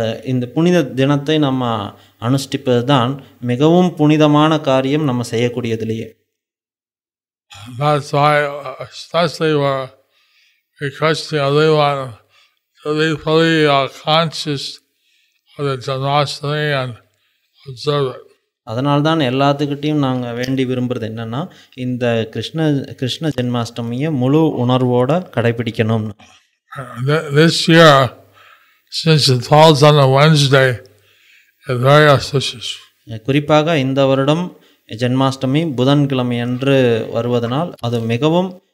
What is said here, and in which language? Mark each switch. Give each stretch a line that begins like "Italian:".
Tamil: இந்த புனித தினத்தை நம்ம அனுஷ்டிப்பதுதான் மிகவும் புனிதமான காரியம் நம்ம செய்யக்கூடியதுலேயே.
English: That's why especially we're requesting everyone to be fully conscious of the generosity and observe it.
Tamil: அதனால்தான் எல்லாத்துக்கிட்டையும் நாங்கள் வேண்டி விரும்புறது என்னன்னா இந்த கிருஷ்ண ஜென்மாஷ்டமியை முழு உணர்வோட கடைபிடிக்கணும்னு.
English: This year, since it falls on a Wednesday, it's very auspicious.
Tamil: குறிப்பாக இந்த வருடம் ஜென்மாஷ்டமி புதன்கிழமை என்று வருவதனால் அது மிகவும்.